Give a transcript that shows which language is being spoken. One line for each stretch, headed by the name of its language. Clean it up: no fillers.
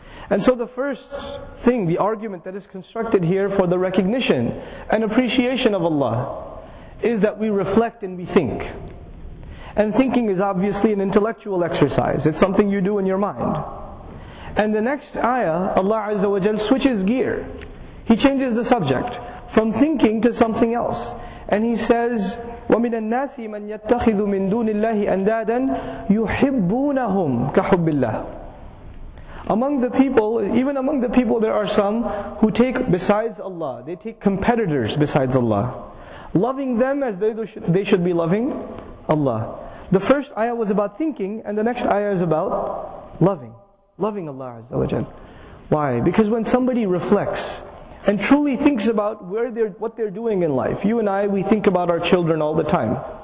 English: And so the first thing, the argument that is constructed here for the recognition and appreciation of Allah, is that we reflect and we think. And thinking is obviously an intellectual exercise. It's something you do in your mind. And the next ayah, Allah Azza wa Jal switches gear. He changes the subject from thinking to something else. And he says,
Arabic: وَمِنَ النَّاسِ مَنْ يَتَّخِذُ مِنْ دُونِ اللَّهِ أَنْدَادًا يُحِبُّونَهُمْ كَحُبِّ اللَّهِ.
English: Among the people, even among the people, there are some who take besides Allah, they take competitors besides Allah, loving them as they should be loving Allah. The first ayah was about thinking, and the next ayah is about loving. Loving Allah Azza wa Jal. Why? Because when somebody reflects and truly thinks about where they're, what they're doing in life, you and I, we think about our children all the time.